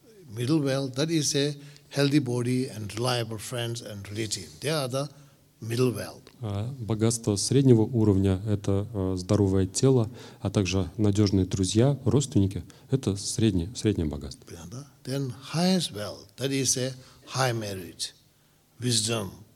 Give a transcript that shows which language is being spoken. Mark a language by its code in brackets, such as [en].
[en] Middle wealth, that is a healthy body and reliable friends and relatives. They are the middle wealth. [ru] Богатство среднего уровня — это здоровое тело, а также надежные друзья, родственники — это среднее богатство. [en] Then highest wealth, that is a high merit, wisdom,